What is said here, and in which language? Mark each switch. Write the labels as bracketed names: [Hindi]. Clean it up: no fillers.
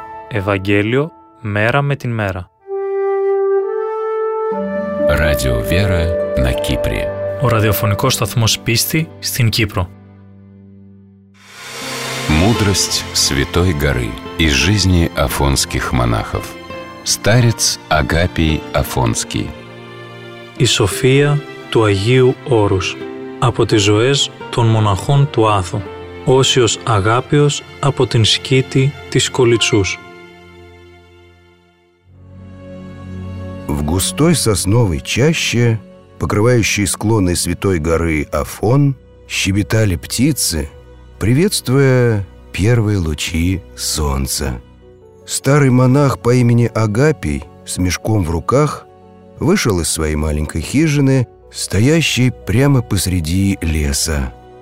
[Russian] Евангелие мера με την мера. Радио Вера на Кипре. [Greek] Ο ραδιοφωνικός σταθμός πίστη στην Κύπρο. [Russian] Мудрость Святой Горы из жизни афонских монахов. Старец Агапий Афонский. [Greek] Η σοφία του Αγίου Όρους από τις ζωές των μοναχών του Άθου. Όσιος Αγάπιος από την σκήτη της Κολιτσούς. [Russian] В густой сосновой чаще, покрывающей склоны Святой горы Афон, щебетали птицы, приветствуя первые лучи солнца. Старый монах по имени Агапий с мешком в руках вышел из своей маленькой хижины, стоящей прямо посреди леса.